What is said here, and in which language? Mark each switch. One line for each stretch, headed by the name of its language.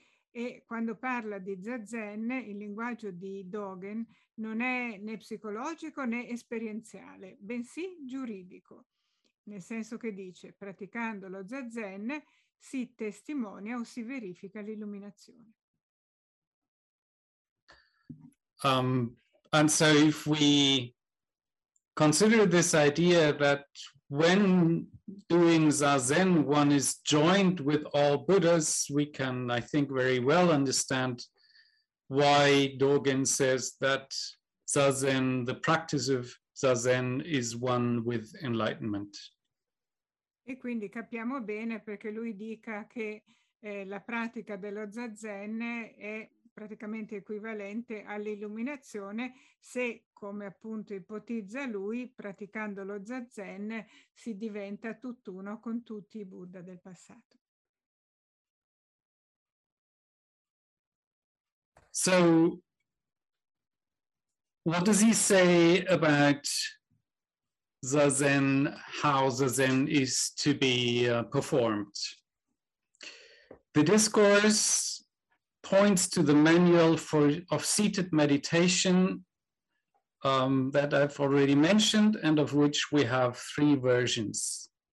Italian: E quando parla di Zazen, il linguaggio di Dogen non è né psicologico né esperienziale, bensì giuridico, nel senso che dice: praticando lo Zazen si testimonia o si verifica l'illuminazione.
English: And so if we consider this idea that when doing Zazen, one is joined with all Buddhas, we can, I think, very well understand why Dogen says that Zazen, the practice of Zazen, is one with enlightenment.
Italian: E quindi capiamo bene perché lui dica che la pratica dello Zazen è praticamente equivalente all'illuminazione se, come appunto ipotizza lui, praticando lo Zazen si diventa tutt'uno con tutti i Buddha del passato.
English: So, what does he say about Zazen, how Zazen is to be performed? The discourse points to the manual of seated meditation that I've already mentioned, and of which we have three versions.